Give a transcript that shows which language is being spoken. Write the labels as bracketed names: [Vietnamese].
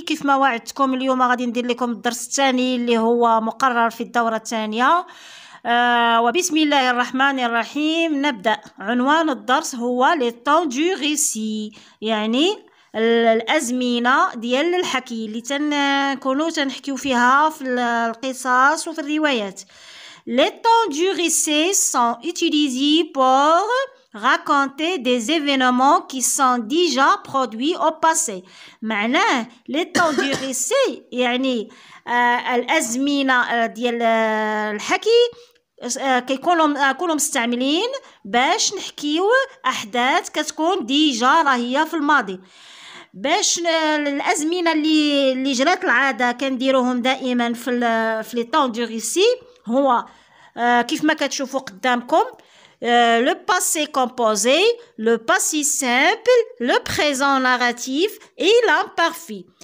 [Arabic] كيف ما وعدتكم اليوم غادي ندير لكم الدرس الثاني اللي هو مقرر في الدورة الثانية. وبسم الله الرحمن الرحيم نبدأ. عنوان الدرس هو لي طون دو ريسي، يعني الأزمنة ديال الحكي اللي تنكونو تنحكيو فيها في القصص وفي الروايات. [French] لي طون دو ريسي سون اوتيليزي بور raconter des événements qui sont déjà produits au passé. [Arabic] معناه لي طون دو ريسي يعني الأزمنة ديال الحكي كيكونوا مستعملين باش نحكيو أحداث كتكون ديجا راهية في الماضي، باش الأزمنة اللي جرات العادة كنديروهم دائما في لي طون دو ريسي هو كيف ما كتشوفوا قدامكم [French] le passé composé, le passé simple, le présent narratif et l'imparfait.